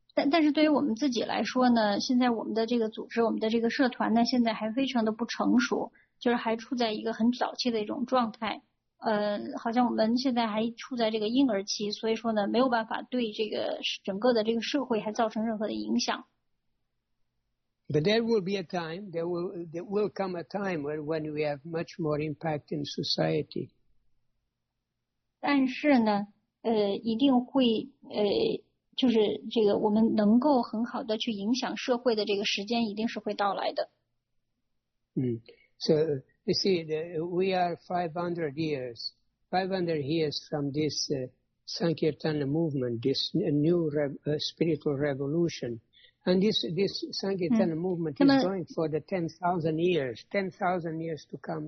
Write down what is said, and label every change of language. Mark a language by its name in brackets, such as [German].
[Chinese] 但是对于我们自己来说呢，现在我们的这个组织，我们的这个社团呢，现在还非常的不成熟，就是还处在一个很早期的一种状态，好像我们现在还处在这个婴儿期，所以说呢，没有办法对这个整个的这个社会还造成任何的影响。 [English] But there will be a time, there will come a time when we have much more impact in society. [Chinese] 但是呢，一定会就是这个我们能够很好的去影响社会的这个时间一定是会到来的。 [English] So you see, we are 500 years from this Sankirtana movement, this new spiritual revolution. And this Sankirtan movement is going for the 10,000 years to come.